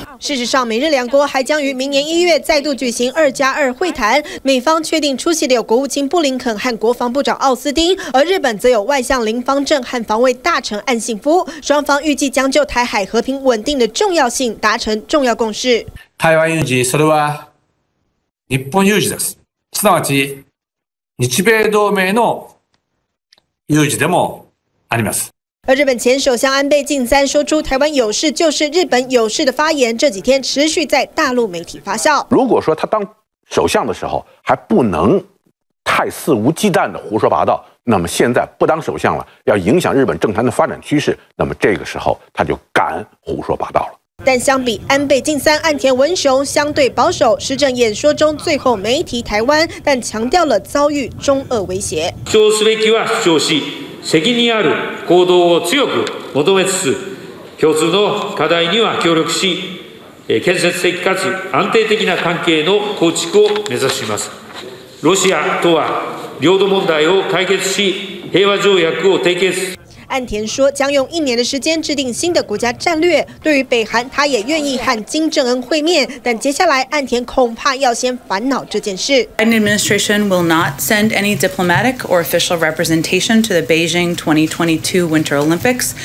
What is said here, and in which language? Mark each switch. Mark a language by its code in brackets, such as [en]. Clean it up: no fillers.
[zh] 事实上，美日两国还将于明年1月再度举行2+2会谈，美方确定出席的有国务卿布林肯和国防部长奥斯汀，而日本则有外相林方正和防卫大臣岸信夫，双方预计将就台海和平稳定的重要性达成重要共识。 [ja] 台湾有事，それは日本有事です。すなわち日米同盟の有事でもあります。 [zh] 而日本前首相安倍晋三说出台湾有事就是日本有事的发言，这几天持续在大陆媒体发酵。如果说他当首相的时候还不能太肆无忌惮的胡说八道，那么现在不当首相了，要影响日本政坛的发展趋势，那么这个时候他就敢胡说八道了。但相比安倍晋三，岸田文雄相对保守，施政演说中最后没提台湾，但强调了遭遇中俄威胁。 [ja] 主張すべきは主張し、責任ある行動を強く求めつつ、共通の課題には協力し、建設的かつ安定的な関係の構築を目指します。ロシアとは領土問題を解決し、平和条約を締結。 [zh] 岸田说将用1年的时间制定新的国家战略，对于北韩他也愿意和金正恩会面，但接下来岸田恐怕要先烦恼这件事。 [en] Biden administration will not send any diplomatic or official representation to the Beijing 2022 Winter Olympics，